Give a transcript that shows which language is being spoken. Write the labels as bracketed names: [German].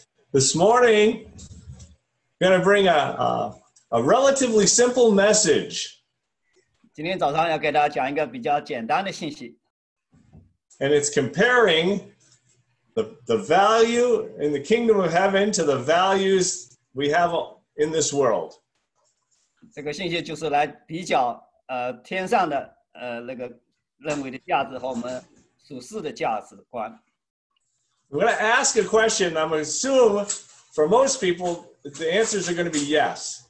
[English] This morning, I'm going to bring a relatively simple message. [Chinese] 今天早上要给大家讲一个比较简单的信息。 [English] And it's comparing the value in the kingdom of heaven to the values we have in this world. [Chinese] 这个信息就是来比较天上的那个认为的价值和我们属世的价值观。 [English] I'm going to ask a question. I'm going to assume for most people, the answers are going to be yes.